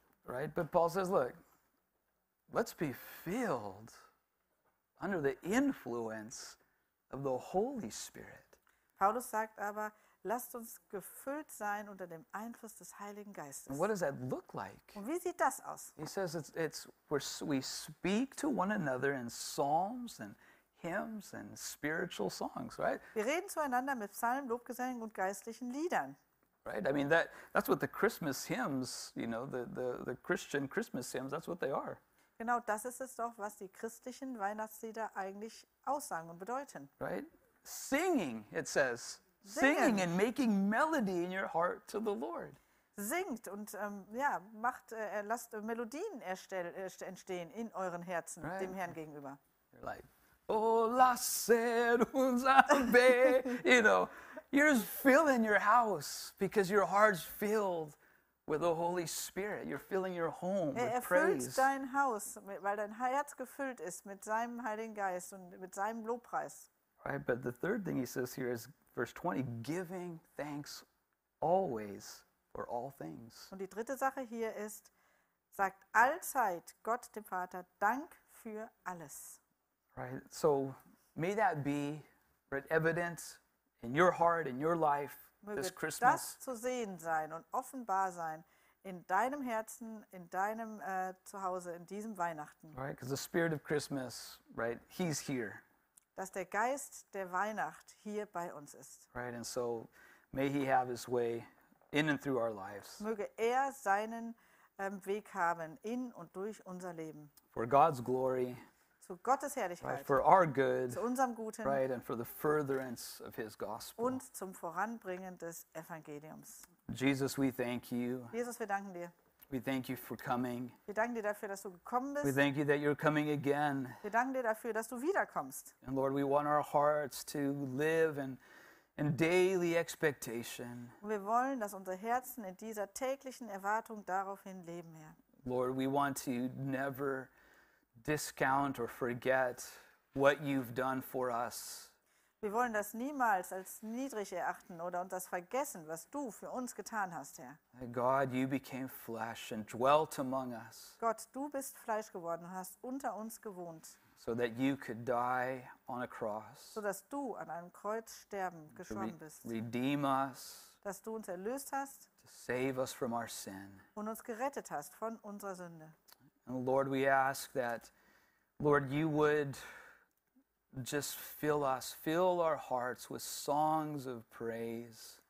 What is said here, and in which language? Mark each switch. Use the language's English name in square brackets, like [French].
[English] Right, but Paul says, look, let's be filled under the influence of the Holy Spirit. [German] Paulus sagt aber, lasst uns gefüllt sein unter dem Einfluss des Heiligen Geistes. [English] What does that look like? [German] Und wie sieht das aus? [English] He says we speak to one another in psalms and hymns and spiritual songs, right? [German] Wir reden zueinander mit Psalmen, Lobgesängen und geistlichen Liedern. [English] Right? I mean that's what the Christmas hymns, you know, the Christian Christmas hymns, that's what they are. [German] Genau, das ist es doch, was die christlichen Weihnachtslieder eigentlich aussagen und bedeuten. [English] Right? Singing, it says. Singing and making melody in your heart to the Lord. [German] Singt und lasst Melodien entstehen in euren Herzen, right, dem Herrn gegenüber. [English] You're like, oh, [German] lasset uns anbeten. [English] You know, you're filling your house because your heart's filled with the Holy Spirit. You're filling your home with praise. [German] Erfüllt dein Haus, weil dein Herz gefüllt ist mit seinem Heiligen Geist und mit seinem Lobpreis. [English] Right, but the third thing he says here is verse 20, giving thanks always for all things. [German] Und die dritte Sache hier ist, sagt allzeit Gott dem Vater Dank für alles. [English] Right, so may that be evident in your heart, in your life, this Christmas. [German] Möge das zu sehen sein und offenbar sein in deinem Herzen, in deinem Zuhause, in diesem Weihnachten. [English] Right, because the spirit of Christmas, right, he's here. [German] Dass der Geist der Weihnacht hier bei uns ist. [English] Right, and so may he have his way in and through our lives. [German] Möge er seinen Weg haben in und durch unser Leben. [English] For God's glory. [German] Zu Gottes Herrlichkeit. [English] Right, for our good. [German] Zu unserem Guten. [English] Right, and for the furtherance of his gospel. [German] Und zum Voranbringen des Evangeliums. [English] Jesus, we thank you. [German] Jesus, wir danken dir. [English] We thank you for coming. [German] Wir danken dir dafür, dass du gekommen bist. [English] We thank you that you're coming again. [German] Wir danken dir dafür, dass du wiederkommst. [English] And Lord, we want our hearts to live in daily expectation. [German] Und wir wollen, dass unsere Herzen in dieser täglichen Erwartung daraufhin leben, Herr. [English] Lord, we want to never discount or forget what you've done for us. [German] Wir wollen das niemals als niedrig erachten oder uns das vergessen, was du für uns getan hast, Herr. [English] God, you became flesh and dwelt among us. [German] Gott, du bist Fleisch geworden und hast unter uns gewohnt. [English] So that you could die on a cross. [German] So dass du an einem Kreuz sterben gestorben bist. [English] Redeem us. [German] Dass du uns erlöst hast. [English] To save us from our sin. [German] Und uns gerettet hast von unserer Sünde. [English] And Lord, we ask that, Lord, you would just fill us, fill our hearts with songs of praise.